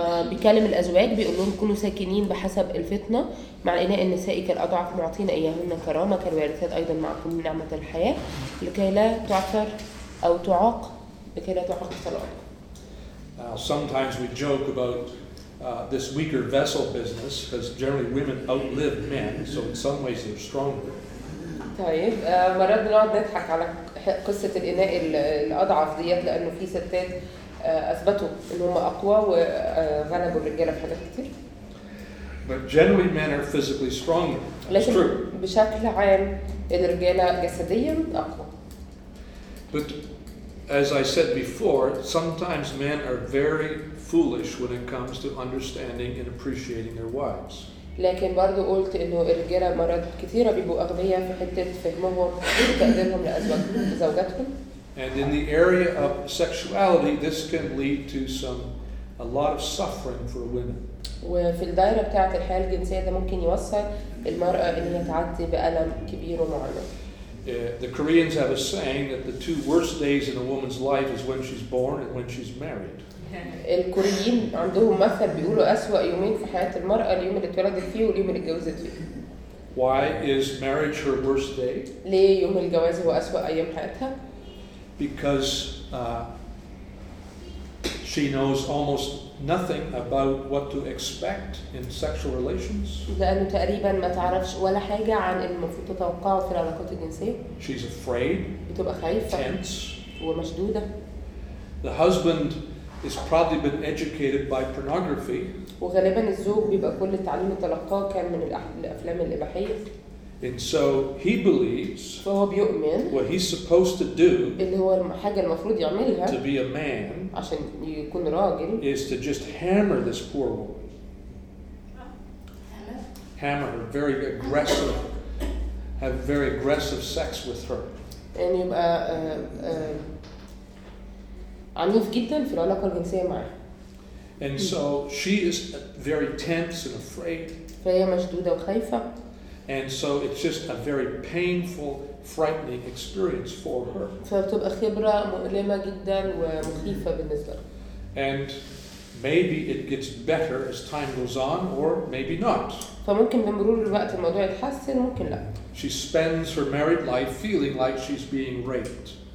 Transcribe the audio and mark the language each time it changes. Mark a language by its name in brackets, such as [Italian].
[Arabic] بيكلم الأزواج بيقول لهم كونوا ساكنين بحسب الفتنة مع إناء النساء كالأضعف معطين إياهن كرامة كالوارثات أيضا معكم من نعمة الحياة لكي لا تعثر أو تعاق لكي لا تعاق صلاتك. [English] Sometimes we joke about this weaker vessel business, because generally women outlive men, so in some ways they're stronger. [Arabic] طيب مرات بنقعد نضحك على قصة الإناء الأضعف ديت لأنه في ستات أثبتوا إن هم أقوى وغلبوا الرجالة في حاجات كتير. [English] But generally men are physically stronger. That's true. [Arabic] بشكل عام الرجالة جسديا أقوى. [English] But as I said before, sometimes men are very foolish when it comes to understanding and appreciating their wives. [Arabic] لكن برضو قلت انه الرجاله مرات كثيره بيبقوا اغنياء في حته فهمهم وتقديمهم لزوجاتهم. [English] And in the area of sexuality, this can lead to some a lot of suffering for women. [Arabic] وفي الدائرة بتاعة الحياة الجنسية ده ممكن يوصل المرأة إنها تعدي بألم كبير ومعلم. [English] The Koreans have a saying that the two worst days in a woman's life is when she's born and when she's married. [Arabic] الكوريين عندهم مثل بيقولوا أسوأ يومين في حياة المرأة اليوم اللي اتولدت فيه واليوم اللي اتجوزت فيه. [English] Why is marriage her worst day? [Arabic] ليه يوم الجواز هو أسوأ أيام حياتها؟ [English] Because she knows almost nothing about what to expect in sexual relations. [Arabic] لأنه تقريبا ما تعرفش ولا حاجة عن المفروض تتوقعه في العلاقات الجنسية. [English] She's afraid. [Arabic] بتبقى خايفة. [English] Tense. [Arabic] ومشدودة. [English] The husband has probably been educated by pornography. [Arabic] وغالبا الزوج بيبقى كل التعليم تلقاه كان من الأفلام الإباحية. [English] And so he believes [Arabic] فهو بيؤمن [English] what he's supposed to do [Arabic] اللي هو حاجة المفروض يعملها [English] to be a man عشان يكون راجل is to just hammer this poor woman. Hammer her very aggressive. Have very aggressive sex with her. [Arabic] And يبقى عنيف جدا في العلاقة الجنسية معها. [English] And so she is very tense and afraid. [Arabic] فهي مشدودة وخايفة. [English] And so it's just a very painful, frightening experience for her. [Arabic] فبتبقى خبرة مؤلمة جدا ومخيفة بالنسبة لها. [English] And maybe it gets better as time goes on, or maybe not. [Arabic] فممكن بمرور الوقت الموضوع يتحسن، ممكن لا. [English] She spends her married life feeling like she's being raped.